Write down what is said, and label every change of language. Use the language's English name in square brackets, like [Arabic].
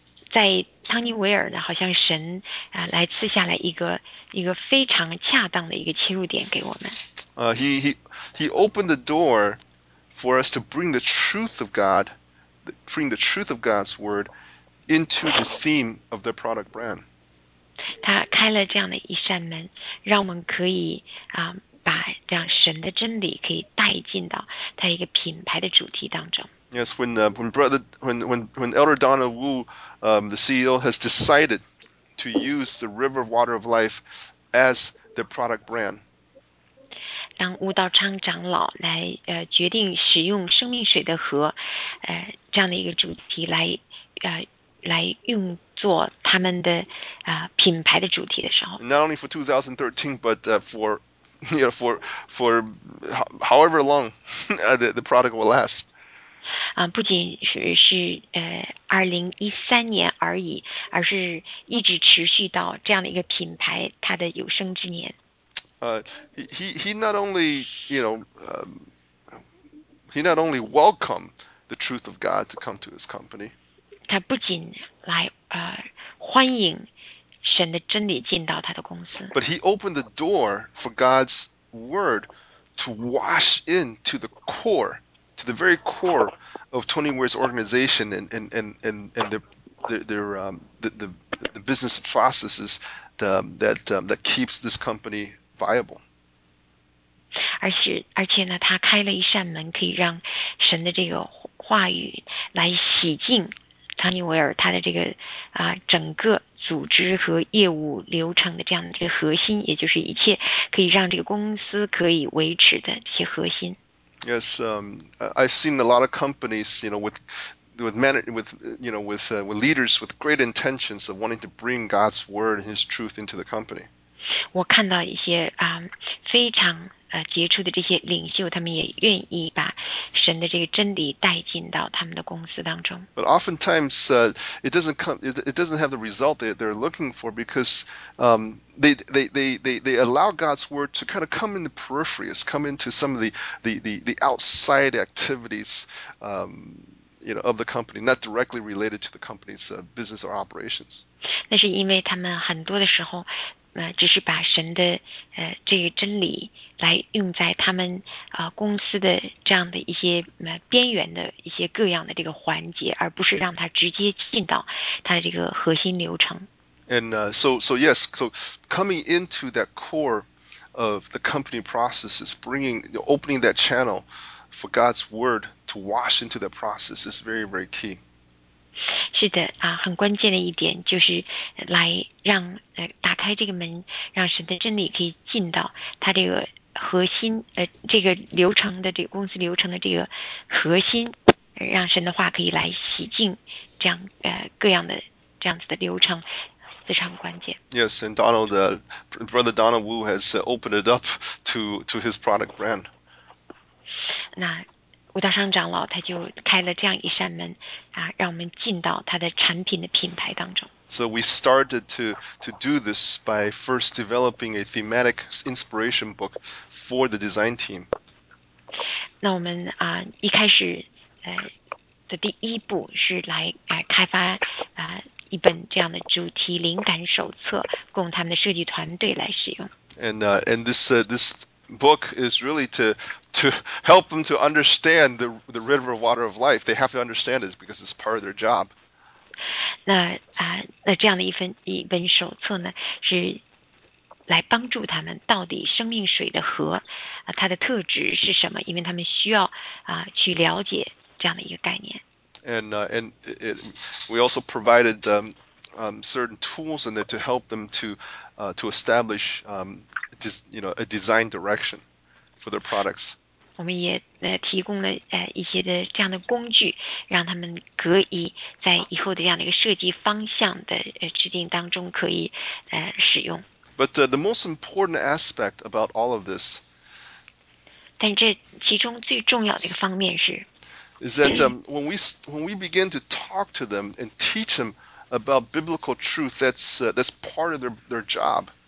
[Chinese] 在汤尼维尔呢，好像神来赐下来一个非常恰当的一个切入点给我们。 [English] He opened the door for us to bring the truth of God, bring the truth of God's word. Into the theme of the product brand. [Chinese] 他开了这样的一扇门，让我们可以把这样神的真理可以带进到他一个品牌的主题当中。 [English] Yes, when Elder Donald Wu, the CEO, has decided to use the River of Water of Life as the product brand. [Chinese] 当吴道昌长老来决定使用生命水的河，这样的一个主题来用作他们的品牌的主题的时候。 [English] Not only for 2013, but for however long the product will last. [Chinese] 不仅是2013年而已，而是一直持续到这样的一个品牌它的有生之年。 [English] He not only welcomed the truth of God to come to his company. [Chinese] 他不仅来欢迎神的真理进到他的公司。 [English] But he opened the door for God's word to wash in to the core, to the very core of Tony Ware's organization and the business processes that keeps this company viable. [Chinese] 而且呢，他开了一扇门，可以让神的这个话语来洗净汤尼维尔他的这个整个组织和业务流程的这样的这个核心，也就是一切可以让这个公司可以维持的这些核心。 [English] Yes, I've seen a lot of companies, you know, with leaders with great intentions of wanting to bring God's word and His truth into the company. [Chinese] 我看到一些非常杰出的这些领袖，他们也愿意把神的这个真理带进到他们的公司当中。 [English] But oftentimes, it doesn't have the result that they're looking for because they allow God's word to kind of come in the peripheries, come into some of the outside activities, of the company, not directly related to the company's business or operations. [Chinese] 那是因为他们很多的时候。只是把神的这个真理来用在他们公司的这样的一些边缘的一些各样的这个环节，而不是让它直接进到它的这个核心流程。 [English] And so coming into that core of the company processes, bringing opening that channel for God's word to wash into that process is very very key. [Chinese] 是的啊，很关键的一点就是来让打开这个门，让神的真理可以进到他这个核心这个流程的这个公司流程的这个核心，让神的话可以来洗净这样各样的这样子的流程，非常关键。 [English] Yes, and Donald, Brother Donald Wu has opened it up to his product brand. [Chinese] 那吴道商长老他就开了这样一扇门啊，让我们进到他的产品的品牌当中。 [English] So we started to do this by first developing a thematic inspiration book for the design team. [Chinese] 那我们一开始的第一步是来开发一本这样的主题灵感手册，供他们的设计团队来使用。 [English] And this book is really to help them to understand the river of water of life. They have to understand it because it's part of their job. [Chinese] 那这样的一本手册呢，是来帮助他们到底生命水的河它的特质是什么，因为他们需要去了解这样的一个概念。 [English] And we also provided certain tools in there to help them to establish a design direction for their products. [Chinese] 我们也提供了一些的这样的工具，让他们可以在以后的这样的一个设计方向的制定当中可以使用。 [English] But the most important aspect about all of this, [Chinese] 但这其中最重要的一个方面是 [English] is that when we begin to talk to them and teach them about biblical truth, that's part of their job.